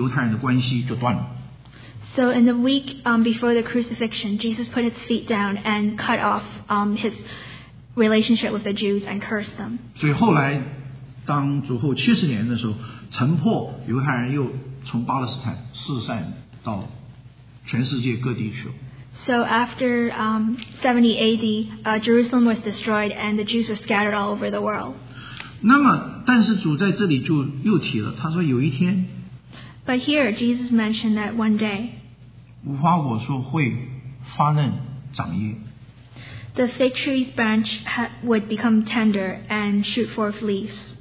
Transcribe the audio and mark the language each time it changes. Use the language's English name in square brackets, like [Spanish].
[Chinese] 所以主在他要上十字架之前的一个礼拜，他就跟犹太人做了一个最后的决断，就是说咒诅这棵无花果，就是说耶稣在这里跟犹太人的关系就断了。 [English] So in the week before the crucifixion, Jesus put his feet down and cut off his relationship with the Jews and curse them. [Chinese] 所以后来，当主后七十年的时候，城破犹太人又从巴勒斯坦四散到全世界各地去了。 [English] So after 70 AD, Jerusalem was destroyed and the Jews were scattered all over the world. [Chinese] 那么，但是主在这里就又提了，他说有一天。 [English] But here Jesus mentioned that one day. [Chinese] 无花果树会发嫩长叶。 [English] The fig tree's branch would become tender and shoot forth leaves.